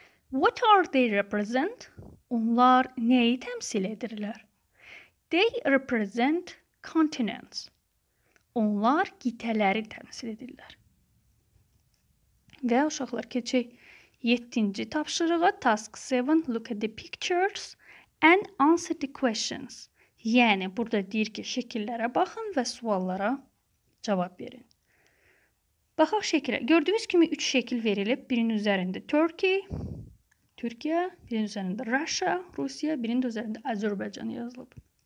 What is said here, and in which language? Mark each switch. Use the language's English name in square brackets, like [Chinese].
[English] What are they represent? [Azerbaijani] Onlar nəyi təmsil edirlər? [English] They represent continents. [Azerbaijani] Onlar qitələri təmsil edirlər. Və uşaqlar, keçək 7-ci tapşırığa. [English] Task 7, look at the pictures and answer the questions. [Azerbaijani] Yəni, burada deyir ki, şəkillərə baxın və suallara cavab verin. Baxaq şəkilə. Gördüyünüz kimi 3 şəkil verilib. Birinin üzərində Türkiyə, birinin üzərində Russia, Rusiya, birinin üzərində Azərbaycan yazılıb.